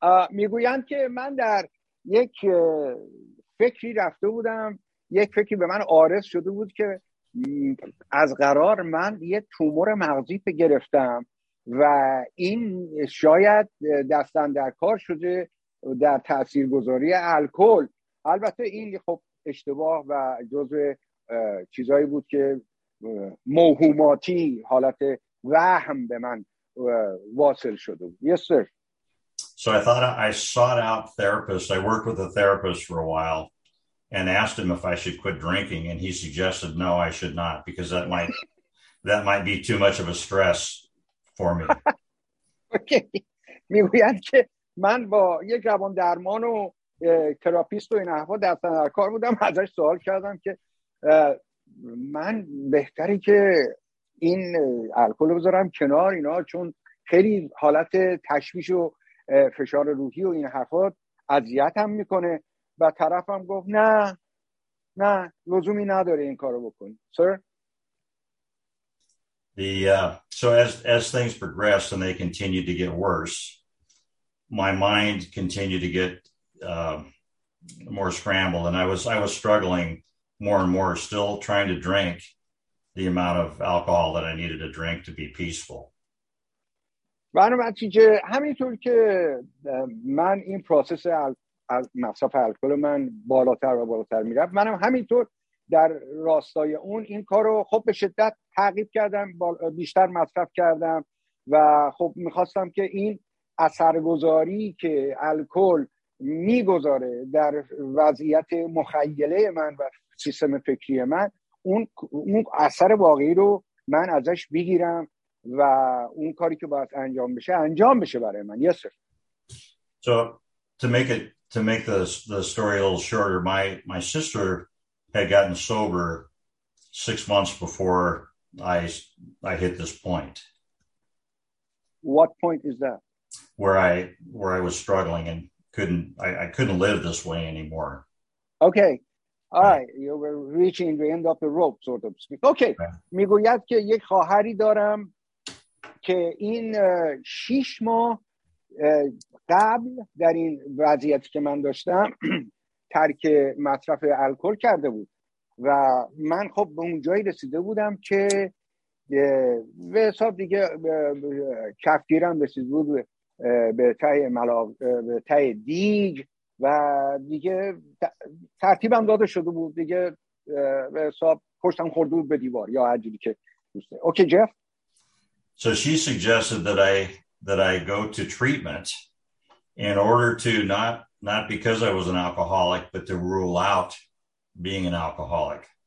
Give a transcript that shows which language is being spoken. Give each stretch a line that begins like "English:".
Persian: میگویم که من در یک فکری رفته بودم، یک فکری به من عارض شده بود که از قرار من یه تومور مغزی گرفتم و این شاید دستن در کار شده در تاثیرگذاری الکل. البته این خب اشتباه و جزء چیزایی بود که موهوماتی حالت وهم به من واصل شده بود.
English: Yes sir. So I thought I sought out therapists. I worked with a therapist for a while and asked him if I should quit drinking. And he suggested, no, I should not, because that might be too much of a stress for me. Okay.
Persian: میگویند که من با یک روان درمان و تراپیست و این احوا دستن در کار بودم. ازش سوال کردم که من بهتری که این الکول رو بذارم کنار اینا چون خیلی حالت تشویش و فشار روحی و این حرفات اذیتم میکنه و طرفم گفت نه لزومی نداره این کارو بکنی
English: Sir. So as things progressed and they continued to get worse, my mind continued to get more scrambled and I was struggling more and more, still trying to drink the amount of alcohol that I needed to drink to be peaceful.
Persian: بنابراتیجه همینطور که من این پروسس از مصرف الکل من بالاتر و بالاتر میرفت، منم همینطور در راستای اون این کار رو خب به شدت تعقیب کردم، بیشتر مصرف کردم و خب میخواستم که این اثرگذاری که الکل میگذاره در وضعیت مخیله من و سیستم فکری من، اون اثر واقعی رو من ازش بگیرم و اون کاری که باید انجام بشه برای من.
English: Yes, sir. So to make the story a little shorter, my sister had gotten sober 6 months before I hit this point. What point is that? Where I was struggling and couldn't live this way anymore. Okay. All right, you were reaching the end of the rope, sort of speak. Okay.
Persian: میگوید که یک خواهری دارم که این 6 ماه قبل در این وضعیتی که من داشتم ترک مصرف الکل کرده بود و من خب به اون جایی رسیده بودم که به حساب دیگه کفگیرم رسیده بود به ته دیگ و دیگه ترتیبم داده شده بود، دیگه به حساب پشتم خورده بود به دیوار یا هر جوری که دوسته.
English: Okay Jeff. So she suggested that I go to treatment in order to not because I was an alcoholic, but to rule out being an alcoholic.